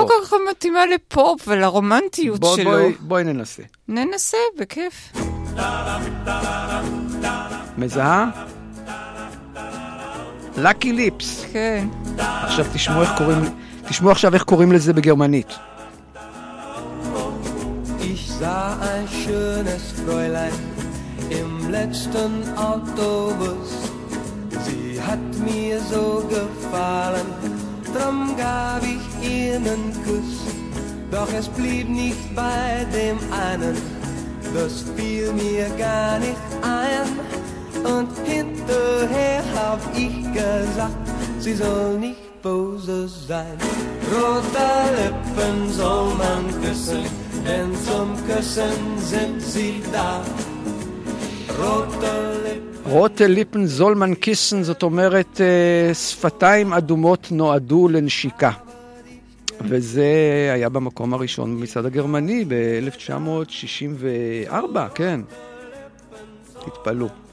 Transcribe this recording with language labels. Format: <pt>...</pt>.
<he>לא כל כך מתאימה לפופ ולרומנטיות בוא, שלו. בואי ננסה. ננסה, בכיף. מזהה?</he> <en>Lucky Lips.</en> <he>כן. עכשיו תשמעו איך קוראים, תשמעו עכשיו איך קוראים לזה בגרמנית.</he> <de>Ich sah ein schönes Fräulein im letzten Autobus. Sie hat mir so gefallen, drum gab ich ihr einen Kuss. Doch es blieb nicht bei dem einen, das fiel mir gar nicht ein. Und hinterher hab ich gesagt, sie soll nicht böse sein. Rote Lippen soll man küssen, denn zum Küssen sind sie da. Rote Lippen, Rote Lippen soll man küssen,</de> <he>זאת אומרת, שפתיים אדומות נועדו לנשיקה. וזה היה במקום הראשון במצעד הגרמני ב-1964, כן. התפלו.</he>